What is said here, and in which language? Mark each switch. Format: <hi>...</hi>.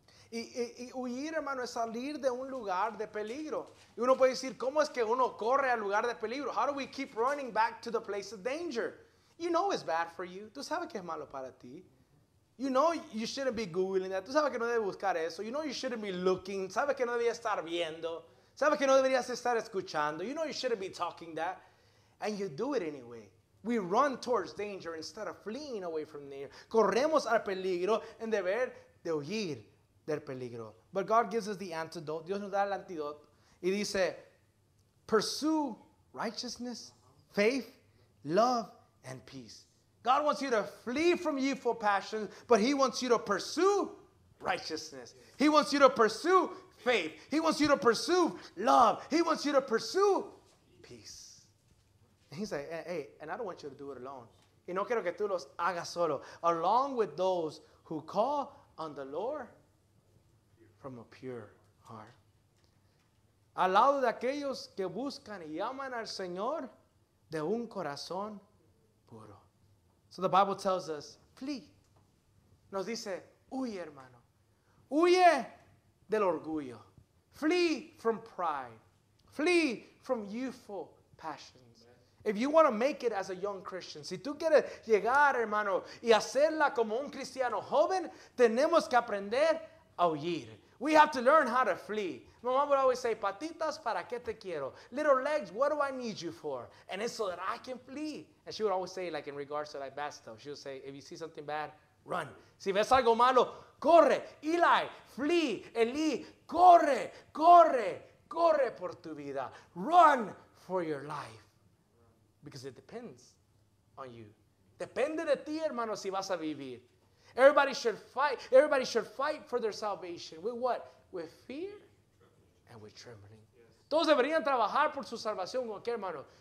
<es>Y huir, hermano, es salir de un lugar de peligro. Y uno puede decir, ¿cómo es que uno corre al lugar de peligro?</es> <en>How do we keep running back to the place of danger? You know it's bad for you.</en> <es>Tú sabes que es malo para ti.</es> <en>You know you shouldn't be Googling that.</en> <es>Tú sabes que no debes buscar eso.</es> <en>You know you shouldn't be looking.</en> <es>Sabes que no deberías estar viendo. Sabes que no deberías estar escuchando.</es> <en>You know you shouldn't be talking that. And you do it anyway. We run towards danger instead of fleeing away from there.</en> <es>Corremos al peligro en deber de huir del peligro.</es> <en>But God gives us the antidote.</en> <es>Dios nos da el antídoto. Y dice,</es> <en>pursue righteousness, faith, love, and peace. God wants you to flee from youthful passions, but he wants you to pursue righteousness. He wants you to pursue faith. He wants you to pursue love. He wants you to pursue peace. And he's like, hey, and I don't want you to do it alone.</en> <es>Y no quiero que tú los hagas solo.</es> <en>Along with those who call on the Lord from a pure heart.</en> <es>Al lado de aquellos que buscan y llaman al Señor de un corazón puro.</es> <en>So the Bible tells us, flee.</en> <es>Nos dice, huye, hermano. Huye del orgullo.</es> <en>Flee from pride. Flee from youthful passions. If you want to make it as a young Christian,</en> <es>si tú quieres llegar, hermano, y hacerla como un cristiano joven, tenemos que aprender a huir.</es> <en>We have to learn how to flee. My mom would always say,</en> <es>patitas, ¿para qué te quiero?</es> <en>Little legs, what do I need you for? And it's so that I can flee. And she would always say, like, in regards to, like, bad stuff. She would say, if you see something bad, run.</en> <es>Si ves algo malo, corre. Eli, flee. Eli, corre, corre, corre por tu vida.</es> <en>Run for your life. Because it depends on you.</en> <es>Depende de ti, hermano, si vas a vivir.</es> <en>Everybody should fight for their salvation. With what? With fear and with trembling.</en> <es>Todos deberían trabajar por su salvación, ¿qué hermano?</es>